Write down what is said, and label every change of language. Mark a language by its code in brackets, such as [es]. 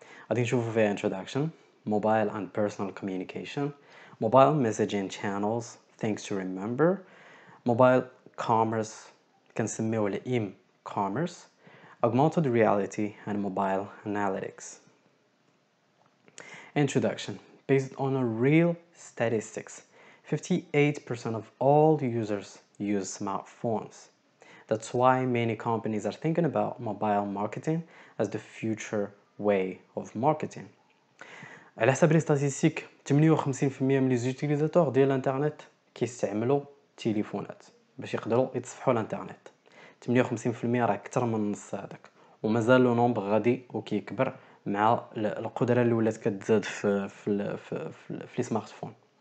[ar] غادي نشوفو فيها [en] Introduction mobile and personal communication, mobile messaging channels things to remember, mobile commerce consumer الام commerce, augmented reality and mobile analytics. Introduction based on real statistics 58% of all users use smartphones. That's why many companies are thinking about mobile marketing as the future way of marketing. [ar] على حسب لي ستاتيستيك 58% من لي زوتيليزاتور ديال الانترنت كيستعملوا تليفونات باش يقدروا يتصفحوا الانترنت. 58% راه اكثر من نص هذاك، ومازال لو نومبر غادي وكيكبر مع القدره اللي ولات كتزاد في السمارت فون.